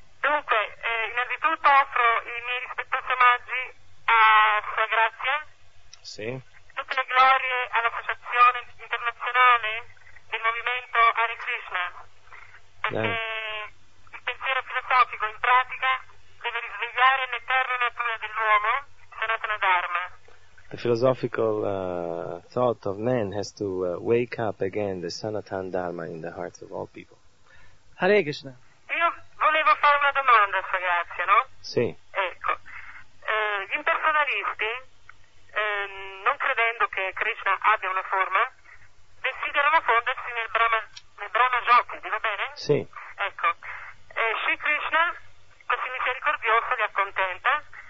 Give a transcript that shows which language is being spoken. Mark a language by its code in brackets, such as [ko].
[it] Dunque, innanzitutto offro i miei rispettosi omaggi a Sua Grazia. Sì. Tutte le glorie all'Associazione Internazionale del Movimento Hare Krishna. Perché il pensiero filosofico, in pratica, deve risvegliare l'eterna natura dell'uomo, Sanatana Dharma. [en] The philosophical thought of man has to wake up again the Sanatana Dharma in the hearts of all people. [it] Hare Krishna. Io volevo fare una domanda, Sua Grazia, no? Sì. Ecco, gli impersonalisti, non credendo che Krishna abbia una forma, desiderano fondersi nel Brahma Jyoti, va bene? Sì. Ecco, Sri Krishna, così misericordioso, li accontenta.